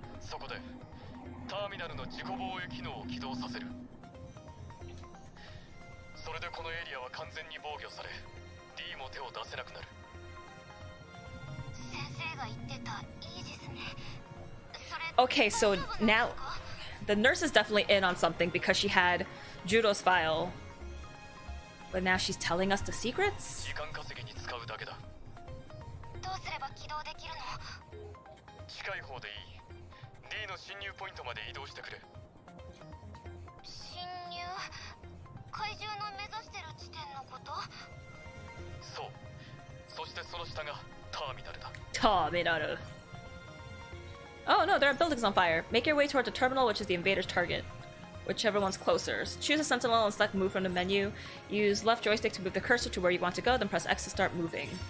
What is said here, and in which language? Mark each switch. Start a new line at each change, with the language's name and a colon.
Japanese: そこでターミナルの自己防衛機能を起動させる。それでこのエリアは完全に防御され、D も手を出せなくなる。先生が言ってたイージスね。それ。
English: Okay, so now the nurse is definitely in on something because she had Judo's file, but now she's telling us the secrets.
Japanese: 時間稼ぎに使うだけだ。どうすれば起動できるの？近い方でいい。 D の侵入ポイントまで移動してくれ。侵入？怪獣の目指してる地点のこと？そう。そしてその下がターミナルだ。
English: ターミナル。Oh no, there are buildings on fire. Make your way toward the terminal, which is the invader's target. Whichever one's closer. Choose a sentinel and select move from the menu. Use left joystick to move the cursor to where you want to go, then press X to start moving.